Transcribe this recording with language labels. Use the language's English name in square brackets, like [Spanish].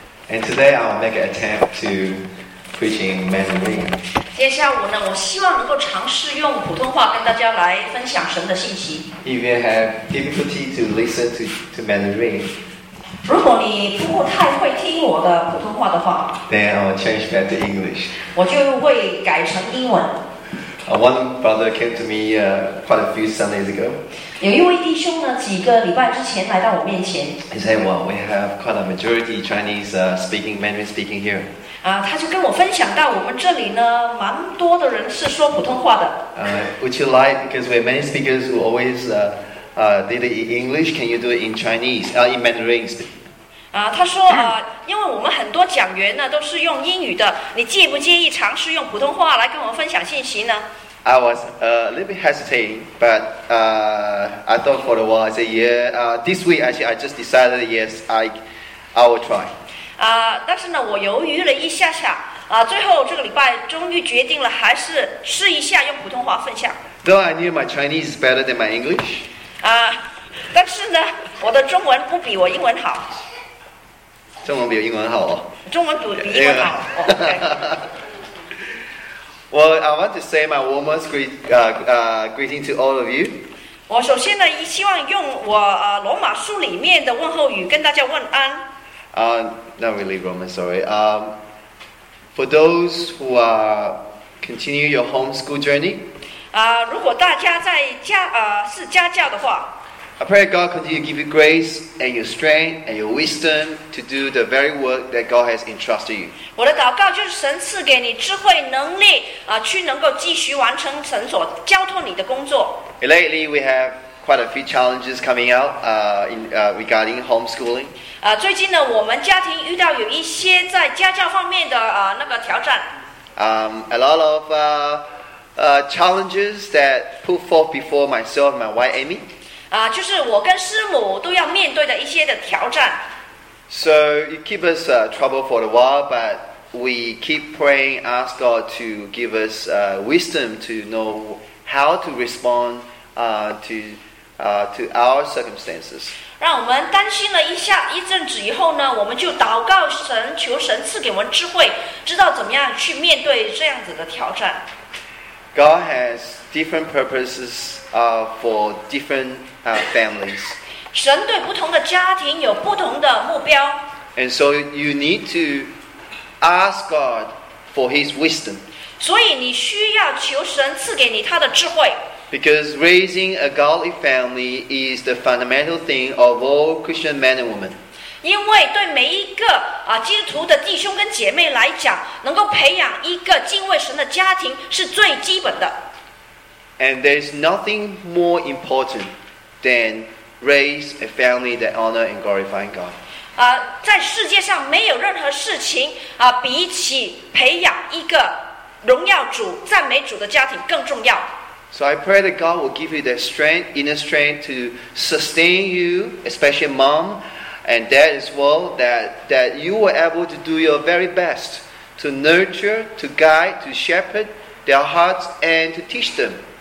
[English] And today I'll make an attempt to preach in Mandarin. [Chinese] 今天下午呢，我希望能够尝试用普通话跟大家来分享神的信息。 [English] If you have difficulty to listen to Mandarin, [Chinese] 如果你不太会听我的普通话的话 [English] ，then I'll change back to English. [Chinese] 我就会改成英文。 [English] One brother came to me quite a few Sundays ago. [Chinese] 有一位弟兄呢，几个礼拜之前来到我面前。 [English] He said, "Well, we have quite a majority Chinese speaking Mandarin speaking here." [Chinese] 他就跟我分享到我们这里呢，蛮多的人是说普通话的。 [English] Would you like, because we have many speakers who always did it in English, can you do it in Chinese, in Mandarin? [Chinese] 他说因为我们很多讲员呢都是用英语的，你介不介意尝试用普通话来跟我们分享信息呢？ [English] I was a little bit hesitating, but I thought for a while. I said, yeah, this week actually I just decided, yes, I will try. [Chinese] 但是呢，我犹豫了一下下，最后这个礼拜终于决定了，还是试一下用普通话分享。 [English] Though I knew my Chinese is better than my English. [Chinese] 但是呢，我的中文不比我英文好。中文比英文好哦。中文比英文好。Yeah. [English] Well, I want to say my warmest greeting to all of you. [Chinese] 我首先呢，希望用我罗马书里面的问候语跟大家问安。 [English] Not really Roman, sorry. For those who continue your homeschool journey. [Chinese] 如果大家在家是家教的话。 [English] I pray God continue to give you grace and your strength and your wisdom to do the very work that God has entrusted you. [Chinese] 我的祷告就是神赐给你智慧能力，去能够继续完成神所交托你的工作。 [English] Lately, we have quite a few challenges coming out regarding homeschooling. [Chinese] 最近呢，我们家庭遇到有一些在家教方面的那个挑战。 [English] A lot of challenges that put forth before myself and my wife Amy. [Chinese] 就是我跟师母都要面对的一些的挑战。 [English] So it keeps us trouble for a while, but we keep praying, ask God to give us wisdom to know how to respond to our circumstances. [Chinese] 让我们担心了一下一阵子以后呢，我们就祷告神，求神赐给我们智慧，知道怎么样去面对这样子的挑战。 [English] God has different purposes for different families. [Chinese] 神对不同的家庭有不同的目标。 [English] And so you need to ask God for his wisdom. [Chinese] 所以你需要求神赐给你他的智慧。 [English] Because raising a godly family is the fundamental thing of all Christian men and women. [Chinese] 因为对每一个基督徒的弟兄跟姐妹来讲，能够培养一个敬畏神的家庭是最基本的。 [English] And there's nothing more important than raise a family that honor and glorify God. [Chinese] 在世界上没有任何事情比起培养一个荣耀主、赞美主的家庭更重要。 [English] So I pray that God will give you that strength, inner strength to sustain you, especially mom and dad as well, that you were able to do your very best to nurture, to guide, to shepherd their hearts and to teach them.